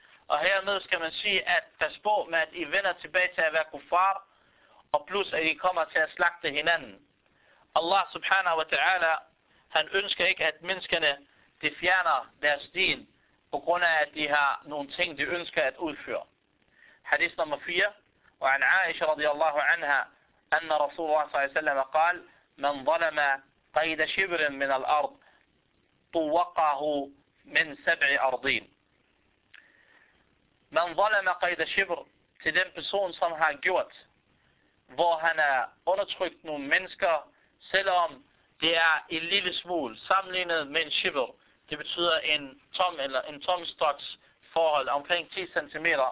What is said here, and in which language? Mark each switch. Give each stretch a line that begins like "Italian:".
Danish: Og hermed skal man sige, at pas på med, at I vender tilbage til at være kuffar, og plus at I kommer til at slagte hinanden. Allah subhanahu wa ta'ala, han ønsker ikke, at menneskerne, de fjerner deres din, på grund af, at de har nogle ting, de ønsker at udføre. Hadith nummer 4.
Arabic: وعن عائشة رضي الله عنها أن رسول الله صلى الله عليه وسلم قال من ظلم قيد شبر من الأرض طوقه من سبع أرضين. من ظلم قيد شبر
Danish: til den person, som har gjort, hvor han har undertrykt nogle mennesker, selvom det er en lille smule sammenlignet med en shibr. Det betyder en tom eller en tom stoks forhold omkring 10 cm.